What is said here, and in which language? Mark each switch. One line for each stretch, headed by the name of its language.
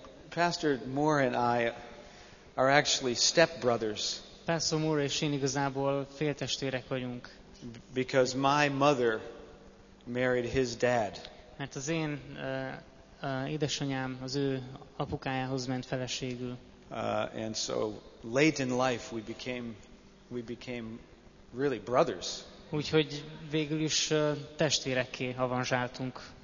English: Pastor Moore and I are actually stepbrothers.
Hungarian: Pastor Moore és én igazából féltestvérek vagyunk.
English: Because my mother married his dad.
Hungarian: Mert az én édesanyám az ő apukájához ment feleségül.
English: And so late in life we became really brothers.
Hungarian: Úgyhogy végül is testvérekké avanzsáltunk.